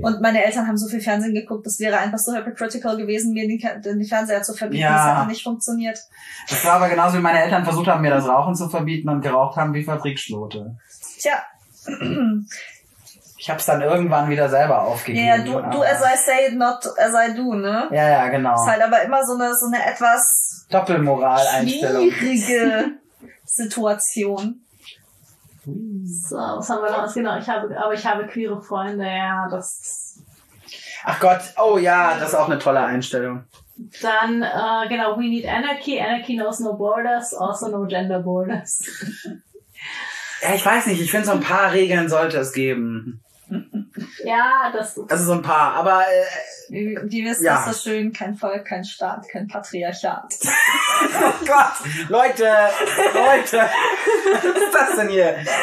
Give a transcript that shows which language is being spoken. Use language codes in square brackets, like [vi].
[de] Und meine Eltern haben so viel Fernsehen geguckt, das wäre einfach so hypocritical gewesen, mir den Fernseher zu verbieten, das hat nicht funktioniert. Das war aber genauso, wie meine Eltern versucht haben, mir das Rauchen zu verbieten und geraucht haben wie Fabrikschlote. Tja. Ich hab's dann irgendwann wieder selber aufgegeben. [en] Ja, du as I say it, not as I do, ne? [de] Ja, genau. Ist halt aber immer so eine etwas Doppelmoral-Einstellung. Schwierige Situation. So, was haben wir da? Genau, ich habe queere Freunde, ja, das. Ach Gott, oh ja, das ist auch eine tolle Einstellung. Dann, genau, [en] we need anarchy. Anarchy knows no borders, also no gender borders. [de] Ja, ich weiß nicht, ich finde, so ein paar Regeln sollte es geben. Ja, das ist. Also so ein paar, aber. Die wissen ja. Das so schön: kein Volk, kein Staat, kein Patriarchat. Oh Gott, Leute, was ist das denn hier?